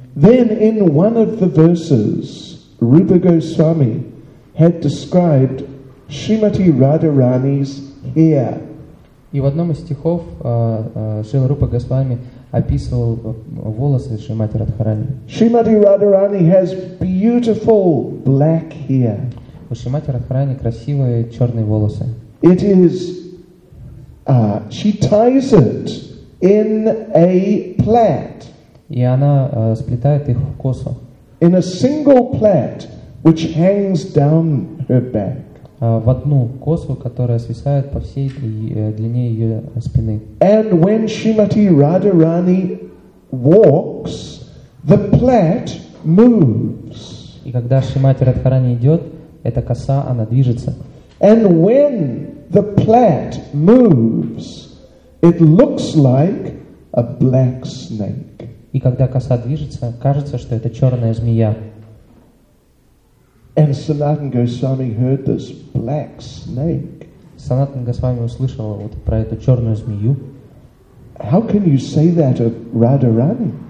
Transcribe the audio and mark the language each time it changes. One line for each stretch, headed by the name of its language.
English: Then in one of the verses, Rupa Goswami had described Srimati Radharani's hair.
Russian: И в одном из стихов Шрила Рупа Госвами описывал волосы Шримати Радхарани.
English: Shrimati Radharani has beautiful black hair.
Russian: У Шримати Радхарани красивые черные волосы.
English: It is, she ties it in a plait.
Russian: И она сплетает их в косу.
English: In a single plait, which hangs down her back.
Russian: В одну косу, которая свисает по всей длине ее спины.
English: And when Srimati Radharani walks, the plait moves.
Russian: И когда Шримати Радхарани идет, эта коса, она движется.
English: And when the plait moves, it looks like a black snake.
Russian: И когда коса движется, кажется, что это черная змея.
English: And Sanatana Goswami heard this black snake.
Russian: Sanatana Goswami услышал вот про эту черную змею.
English: How can you say that of Radharani?